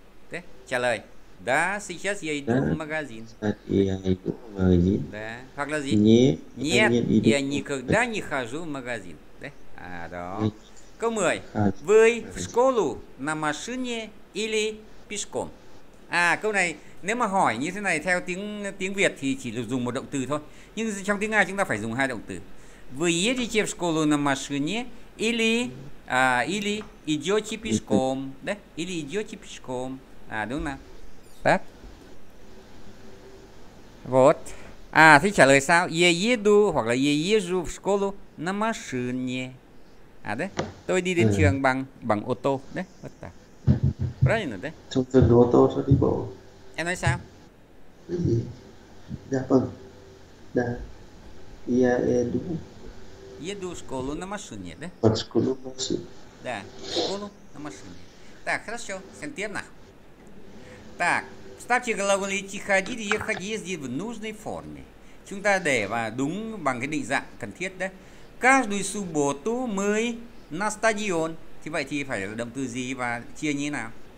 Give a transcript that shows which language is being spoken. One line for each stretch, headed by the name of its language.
Russian: Да? Чалай. Да, сейчас я иду да, в магазин. Я иду в магазин. Да. Как раз нет, нет, я никогда не хожу в магазин. Да? А, да. Кумой, вы в школу на машине или пешком?
Vietnamese: À, câu này nếu mà hỏi như thế này theo tiếng tiếng Việt thì chỉ được dùng một động từ thôi. Nhưng trong tiếng Nga chúng ta phải dùng hai động từ.
Russian: Вы едете в школу на машине или или идете пешком, да? Или идете пешком. À,
Vietnamese: đúng không?
Russian: Так.
Vietnamese: Вот. А, thế trả lời sao?
Russian: Я еду,
Vietnamese: hoặc là
Russian: я езжу в школу на машине.
Vietnamese: À, đấy. Tôi đi đến trường bằng bằng ô tô, đấy.
Russian: Вот так. Правильно, да?
Vietnamese: Trong trường ô tô sao đi bộ? Em nói sao? Cái gì? Dạ vâng.
Russian: Да. Я еду. Еду в школу на машине, да? В школу на машине. Да, в школу на машине. Так, хорошо, сентенах. Так, ставьте глаголы идти ходить, ехать, ездить в нужной форме.
Vietnamese: Chúng ta để và đúng bằng cái định dạng cần thiết đấy.
Russian: Каждую субботу мы на стадион.
Vietnamese: Thì vậy thì phải là động từ gì và chia như thế nào?